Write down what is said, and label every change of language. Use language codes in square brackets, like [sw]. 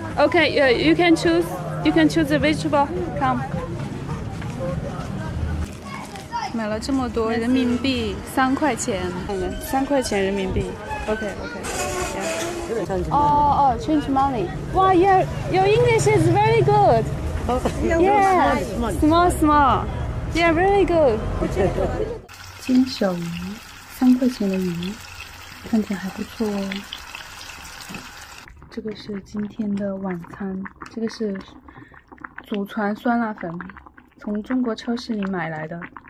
[en] Okay, yeah, you can choose. You can choose the vegetable. Come. [zh] 买了这么多人民币，三块钱，三块钱人民币。 [en] OK OK、 yeah. oh, oh, change money. Wow, your English is very good. Yeah, small, small. Yeah, really good. [zh] 金手鱼，三块钱的鱼，看起来还不错哦。这个是今天的晚餐，这个是祖传酸辣粉，从中国超市里买来的。